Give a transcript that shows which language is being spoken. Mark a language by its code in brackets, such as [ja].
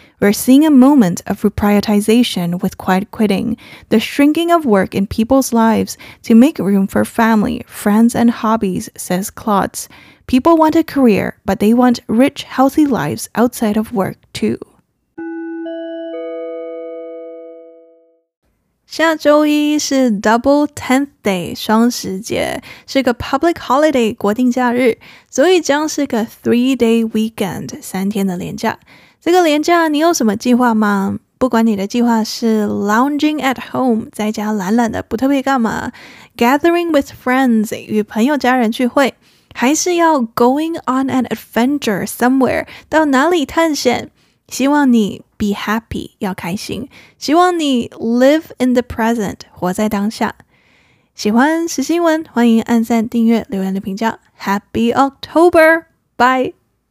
[en] We're seeing a moment of reprioritization with quiet quitting, the shrinking of work in people's lives to make room for family, friends, and hobbies, says Klotz. People want a career, but they want rich, healthy lives outside of work, too. [zh] 下周一是 [en] Double Tenth Day [zh] 双十节，是个 [en] public holiday [zh] 国定假日，所以将是个 [en] 3-day weekend [zh] 三天的连假。这个连假你有什么计划吗？不管你的计划是 [en] lounging at home [zh] 在家懒懒的不特别干嘛， [en] gathering with friends [zh] 与朋友家人聚会，还是要 [en] going on an adventure somewhere [zh] 到哪里探险，希望你 [en] be happy, [zh] 要开心。希望你 [en] live in the present, [zh] 活在当下。喜欢时新闻，欢迎按赞、订阅、留言、留评价。 [en] Happy October! Bye!